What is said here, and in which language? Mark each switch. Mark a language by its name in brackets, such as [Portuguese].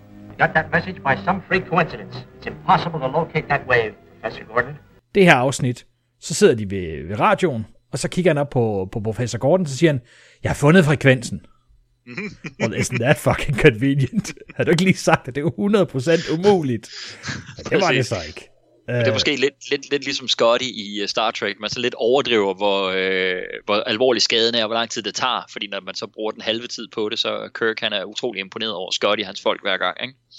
[English] You got that message by some freak coincidence. It's impossible to locate that wave, Professor Gordon. [Danish] Det her afsnit, så sidder de ved radioen, og så kigger han op på professor Gordon, så siger han, jeg har fundet frekvensen. [English] Well, isn't that fucking convenient? [Danish] Har du ikke lige sagt, at det er 100% umuligt? Det var det så ikke. Det er måske lidt ligesom Scotty i Star Trek, man så lidt overdriver, hvor alvorlig skaden er, og hvor lang tid det tager, fordi når man så bruger den halve tid på det, så Kirk, han er utrolig imponeret over Scotty og hans folk hver gang, ikke?